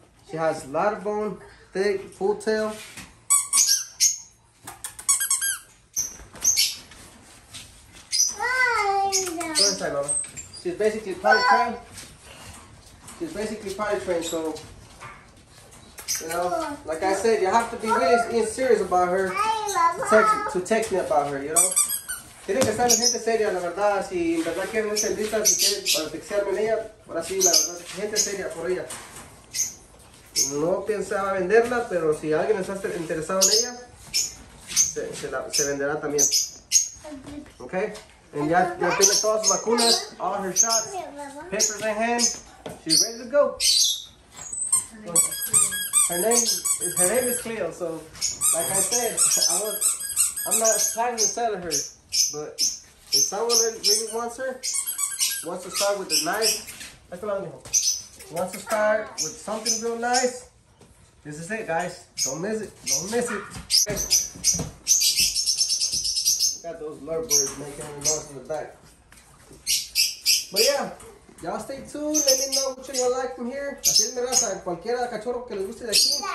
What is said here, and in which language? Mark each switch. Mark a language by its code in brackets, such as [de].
[en] She has a lot of bone, thick, full tail. Go inside, mama. She's basically potty trained. She's basically potty trained, so, you know, like I said, you have to be really serious about her. To text me about her, you know. [es] Tiene que estar gente seria, la verdad. Si en verdad quieren una entrevista, si quieren para textearme en ella, ahora sí, la verdad, gente seria por ella. No pensaba venderla, pero si alguien está interesado en ella, se venderá también. Okay. And ya tiene todas sus vacunas, all her shots, papers in hand. She's ready to go. [en] Her name is Cleo. So, like I said, I'm not trying to sell her. But if someone really wants her, wants to start with a nice, wants to start with something real nice, this is it, guys. Don't miss it. Okay. Got those lovebirds making a noise in the back. But yeah, y'all stay tuned. Let me know which one you like from here. [es] Así es, miras a cualquiera cachorro que le guste de aquí.